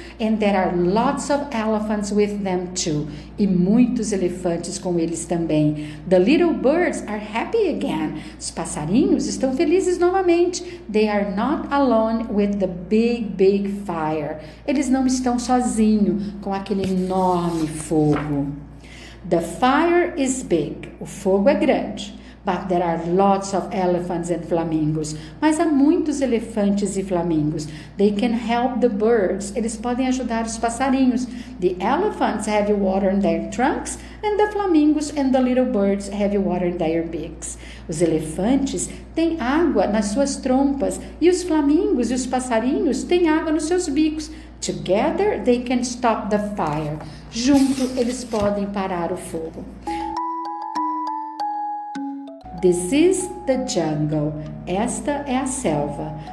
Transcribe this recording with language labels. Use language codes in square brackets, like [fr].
[en] And there are lots of elephants with them too. [pt] E muitos elefantes com eles também. [en] The little birds are happy again. [pt] Os passarinhos estão felizes novamente. [en] They are not alone with the big, big fire. [pt] Eles não estão sozinhos com aquele enorme fogo. [en] The fire is big. [pt] O fogo é grande. [en] But there are lots of elephants and flamingos. [pt] Mas há muitos elefantes e flamingos. [en] They can help the birds. [pt] Eles podem ajudar os passarinhos. [en] The elephants have water in their trunks. And the flamingos and the little birds have water in their beaks. [pt] Os elefantes têm água nas suas trompas. E os flamingos e os passarinhos têm água nos seus bicos. [en] Together they can stop the fire. [pt] Junto eles podem parar o fogo. [en] This is the jungle. [pt] Esta é a selva.